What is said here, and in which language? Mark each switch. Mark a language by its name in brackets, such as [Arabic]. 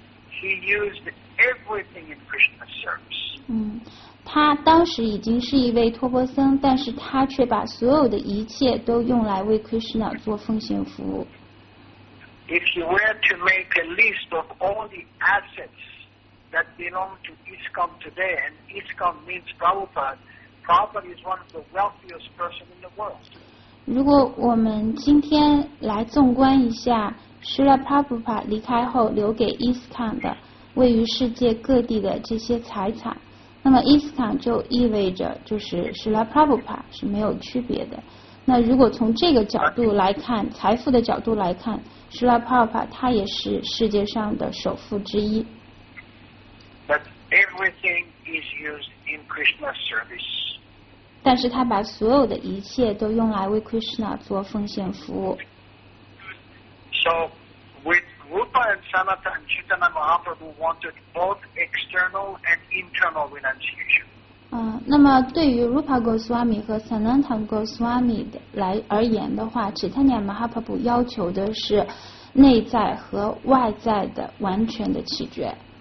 [English] he used everything in Krishna's service. [Chinese] 他当时已经是一位托钵僧，但是他却把所有的一切都用来为 Krishna 做奉献服务。 [English] If you were to make a list of all the assets that belong to ISKCON today, and ISKCON means Prabhupada. Prabhupada is one of the wealthiest person in the world. [Chinese] 如果我们今天来纵观一下 Srila Prabhupada 离开后留给 ISKCON 的位于世界各地的这些财产，那么 ISKCON 就意味着就是 Srila Prabhupada 是没有区别的。那如果从这个角度来看，财富的角度来看，施拉帕帕他也是世界上的首富之一。 [English] But everything is used in Krishna's service. [Chinese] 但是他把所有的一切都用来为 Krishna 做奉献服务。 [English] So with Rupa and Sanatana and Chaitanya Mahaprabhu wanted both external and internal renunciation. [Chinese] 那么对于 Rupa Goswami 和 Sanatana Goswami 来而言的话 Chaitanya Mahaprabhu 要求的是内在和外在的完全的取决